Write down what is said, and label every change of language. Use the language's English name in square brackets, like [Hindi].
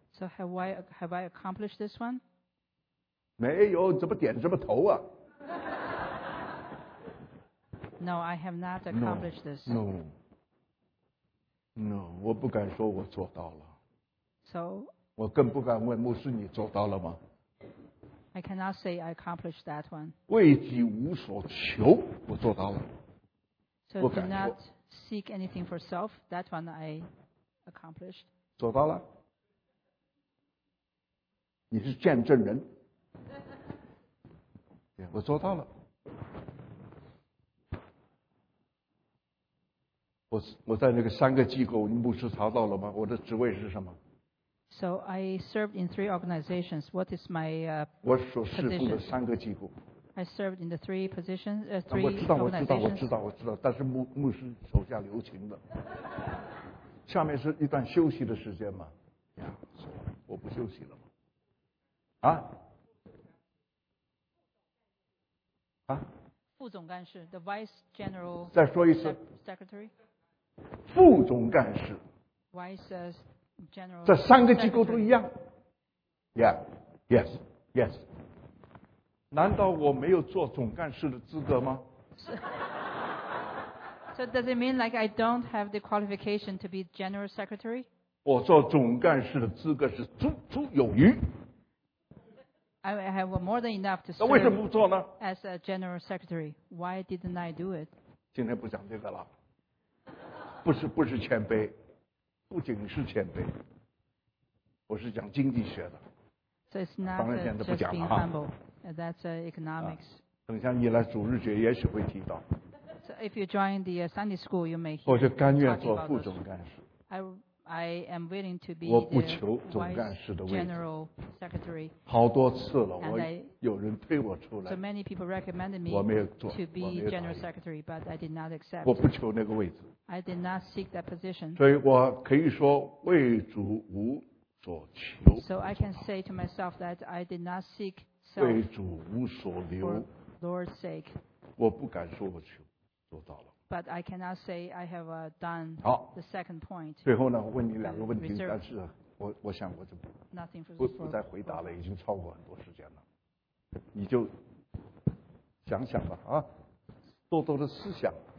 [English] ？So have I accomplished this one? [Chinese] 没有，怎么点这么头啊 [English] ？No, I have not accomplished this. [Chinese] No, 我不敢说我做到了。 [English] So [Chinese] 我更不敢问牧师你做到了吗？ [English] I cannot say I accomplished that one. [Chinese] 为己无所求，我做到了。 [English] So do not seek anything for self. That one I accomplished. [Chinese] 做到了。你是见证人。 Yeah, 我做到了。我在那个三个机构，牧师查到了吗？我的职位是什么？ [English] So I served in three organizations. What is my position? [Chinese] 我所侍奉的三个机构。 [English] I served in the three positions, three organizations. [Chinese] 我知道，但是牧师手下留情的。下面是一段休息的时间嘛？呀，我不休息了吗？啊？啊？副总干事 [English] ，the vice general. [Chinese] 再说一次。 [English] Secretary. [Chinese] 副总干事。 [English] Vice General, [Chinese] 这三个机构都一样 ，Yeah， [English] Yes, yes. [Chinese] 难道我没有做总干事的资格吗？ [English] So does it mean like I don't have the qualification to be general secretary? [Chinese] 我做总干事的资格是足足有余。 [English] I have more than enough to serve. [Chinese] 那为什么不做呢？ [English] As a general secretary, why didn't I do it? [Chinese] 今天不讲这个了。不是谦卑，不仅是谦卑，我是讲经济学的。 [English] So it's not just being humble. That's economics. [Chinese] 等下你来主日学，也许会提到。 [English] So if you join the Sunday school, you may. [Chinese] 我就甘愿做副总干事。 [English] I am willing to be. [Chinese] 我不求总干事的位置。 [English] General secretary. [Chinese] 好多次了，我有人推我出来。 [English] So many people recommended me. [Chinese] 我没有做。 [English] To be general secretary, but I did not accept. [Chinese] 我不求那个位置。 [English] I did not seek that position. [Chinese] 所以我可以说为主无所求。 [English] So I can say to myself that I did not seek. [Chinese] 为主无所留。 [English] For Lord's sake. [Chinese] 我不敢说我求。做到了。 [English] But I cannot say I have done the second point. [Chinese] 最后呢，我问你两个问题，但是我想我就不再回答了，已经超过很多时间了。你就想想吧，啊，多多的思想。